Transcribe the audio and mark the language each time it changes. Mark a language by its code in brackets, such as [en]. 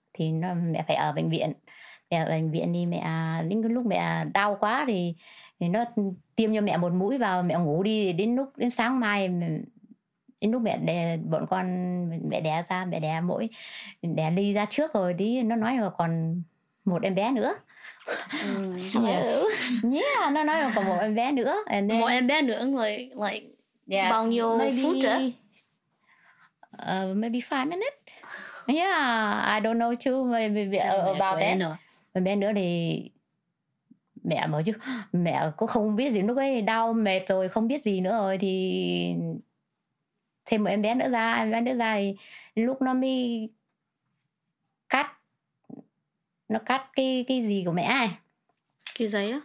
[vi] Thì mẹ phải ở bệnh viện. Mẹ ở bệnh viện đi, mẹ đến lúc mẹ đau quá thì nó tiêm cho mẹ một mũi vào, mẹ ngủ đi, đến sáng mai, đến lúc mẹ đè bọn con, mẹ đẻ ra, mẹ đẻ mỗi, đẻ Ly ra trước rồi đi, nó nói là còn một em bé nữa. Yeah, nó nói là còn một em bé nữa. [en] And then, [vi] một em bé nữa, like bao nhiêu phút hả? [en] Maybe 5 minutes. Yeah, I don't know too about that. [vi] Một em bé nữa thì mẹ mà chứ mẹ cũng không biết gì, lúc ấy đau mệt rồi không biết gì nữa rồi, thì thêm một em bé nữa ra, em bé nữa ra thì lúc nó mới cắt, nó cắt cái gì của mẹ ấy, cái giấy á,